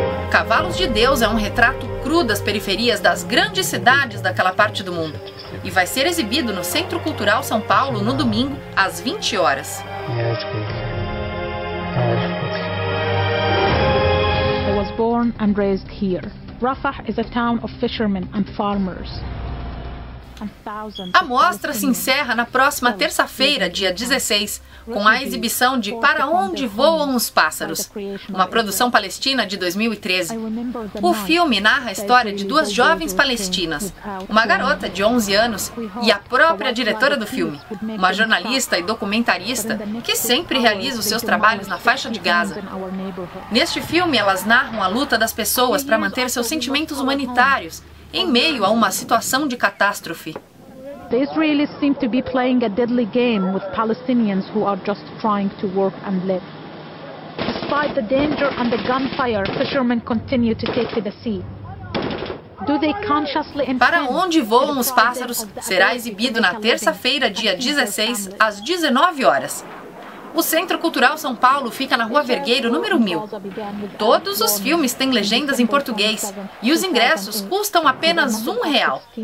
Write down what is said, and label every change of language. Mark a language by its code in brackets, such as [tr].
[pt] Cavalos de Deus é um retrato cru das periferias das grandes cidades daquela parte do mundo e vai ser exibido no Centro Cultural São Paulo no domingo, às 20 horas. [en] I was born and raised here. Rafah is a town of fishermen and farmers. [pt] A mostra se encerra na próxima terça-feira, dia 16, com a exibição de Para Onde Voam os Pássaros, uma produção palestina de 2013. O filme narra a história de duas jovens palestinas, uma garota de 11 anos e a própria diretora do filme, uma jornalista e documentarista que sempre realiza os seus trabalhos na faixa de Gaza. Neste filme, elas narram a luta das pessoas para manter seus sentimentos humanitários em meio a uma situação de catástrofe. [en] The Israelis seem to be playing a deadly game with Palestinians who are just trying to work and live. Despite the danger and the gunfire, fishermen continue to take to the sea. Do they consciously intend? [pt] Para Onde Voam os Pássaros será exibido na terça-feira, dia 16, às 19 horas. O Centro Cultural São Paulo fica na Rua Vergueiro, número 1000. Todos os filmes têm legendas em português e os ingressos custam apenas R$1.